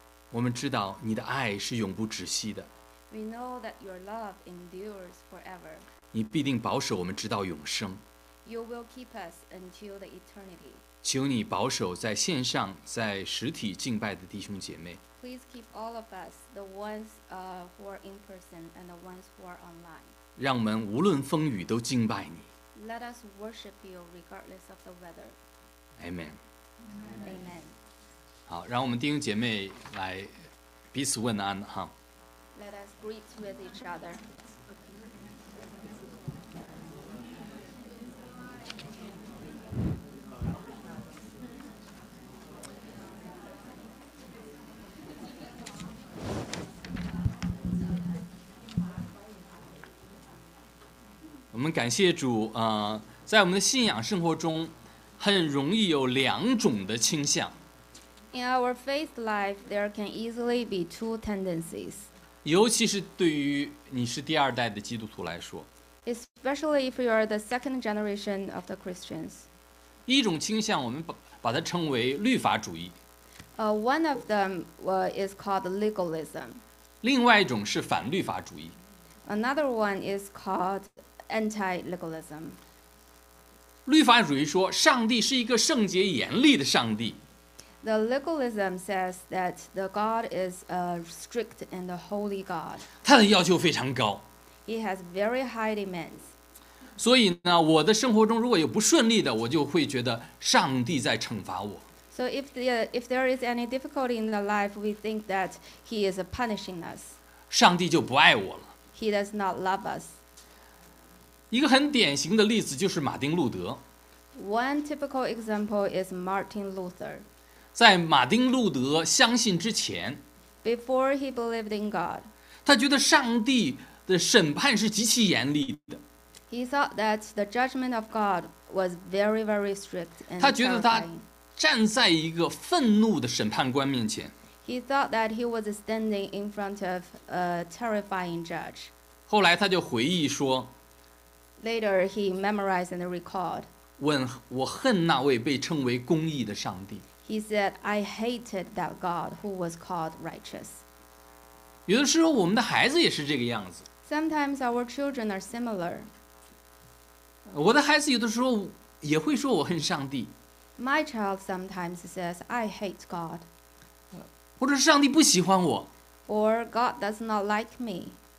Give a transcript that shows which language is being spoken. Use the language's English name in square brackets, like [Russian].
[Chinese] 我们知道你的爱是永不止息的。 [English] We know that your love endures forever。 [Chinese] 你必定保守我们直到永生。 [English] You will keep us until the eternity。 [Chinese] 求你保守在线上、在实体敬拜的弟兄姐妹。 [English] Please keep all of us, the ones who are in person and the ones who are online。 [Chinese] 让我们无论风雨都敬拜你。 [English] Let us worship you regardless of the weather。 Amen。 Amen。 [Chinese] 好，让我们弟兄姐妹来彼此问安哈。 [English] Let us greet with each other。 [Chinese] 我们感谢主，在我们的信仰生活中，很容易有两种的倾向。 [English] In our faith life, there can easily be two tendencies. [Chinese] 尤其是对于你是第二代的基督徒来说。 [English] Especially if you are the second generation of the Christians. [Chinese] 一种倾向我们把它称为律法主义。 [English] One of them is called legalism. [Chinese] 另外一种是反律法主义。 [English] Another one is called anti-legalism. [Chinese] 律法主义说上帝是一个圣洁严厉的上帝。 [English] The legalism says that the God is a strict and a holy God. [Chinese] 他的要求非常高。 [English] He has very high demands. [Chinese] 所以呢，我的生活中如果有不顺利的，我就会觉得上帝在惩罚我。 [English] So if there is any difficulty in the life, we think that he is punishing us. [Chinese] 上帝就不爱我了。 [English] He does not love us. [Chinese] 一个很典型的例子就是马丁路德。 [English] One typical example is Martin Luther. [Chinese] 在马丁路德相信之前 [English] Before he believed in God, [Chinese] 他觉得上帝的审判是极其严厉的。 [English] He thought that the judgment of God was very, very strict and terrifying. [Chinese] 他觉得他站在一个愤怒的审判官面前。 [English] He thought that he was standing in front of a terrifying judge. [Chinese] 后来他就回忆说 [English] Later he memorized and recalled. [Chinese] 问我恨那位被称为公义的上帝。 [English] He said, "I hated that God who was called righteous." [Chinese] 有的时候，我们的孩子也是这个样子。 [English] Sometimes our children are similar. [Chinese] 我的孩子有的时候也会说我恨上帝。 [English] My child sometimes says, "I hate God." [Chinese] 或者是上帝不喜欢我。 [English] Or God does not like me.